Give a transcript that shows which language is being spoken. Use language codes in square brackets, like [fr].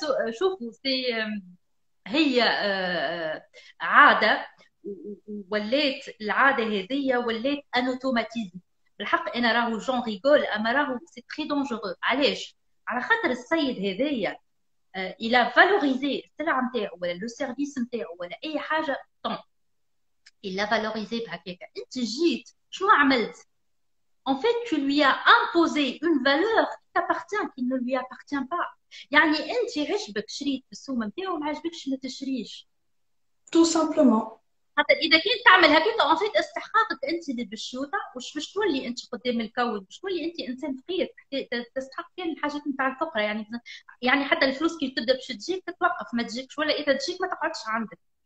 [ar] شوفوا سي هي عاده، وليت العاده هذه وليت ان اوتوماتيزم. بالحق انا راهو جون ريغول، اما راهو [fr] سي تري دونجورو. [ar] علاش؟ على خاطر السيد هذايا الى فالوريزي السلعه نتاعو ولا لو سيرفيس نتاعو ولا اي حاجه طون الى فالوريزي بهكاك. انت جيت شنو عملت؟ [fr] En fait, tu lui as imposé une valeur qui t'appartient, qui ne lui appartient pas. [ar] يعني انت عجبك شريت السوم نتاعو وما عجبكش ما تشريش. [fr] Tout simplement. [ar] حتى اذا كنت تعمل هكذا [fr] اون فيت [ar] استحقاقك انت للبشوطه، واش باش تولي انت قدام الكون، باش تولي انت انسان فقير، تستحق كان الحاجات نتاع الفقره. يعني حتى الفلوس كي تبدا باش تجيك تتوقف ما تجيكش، ولا اذا تجيك ما تقعدش عندك.